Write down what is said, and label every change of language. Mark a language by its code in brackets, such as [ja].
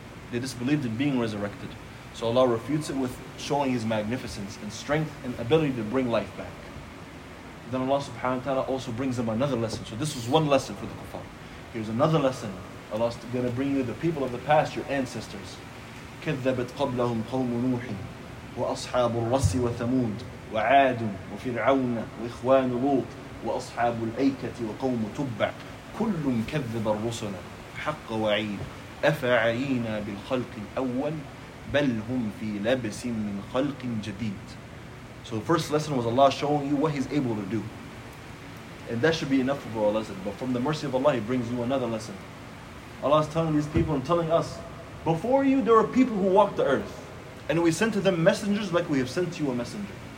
[en] They disbelieved in being resurrected. So Allah refutes it with showing His magnificence and strength and ability to bring life back. Then Allah subhanahu wa ta'ala also brings them another lesson. So this was one lesson for the kuffar. Here's another lesson. Allah's going to bring you the people of the past, your ancestors. [ar] كَذَّبَتْ قَبْلَهُمْ قَوْمُ نُوحٍ وَأَصْحَابُ الرَّسِّ وَثَمُودٍ وعاد وفرعون وإخوان لوط وأصحاب الأيكة وقوم تبع كل كذب الرسل حق وعيد أفعينا بالخلق الأول بل هم في لبس من خلق جديد. [en] So the first lesson was Allah showing you what He's able to do, and that should be enough for a lesson. But from the mercy of Allah, He brings you another lesson. Allah is telling these people and telling us, before you there are people who walked the earth, and we sent to them messengers like we have sent you a messenger.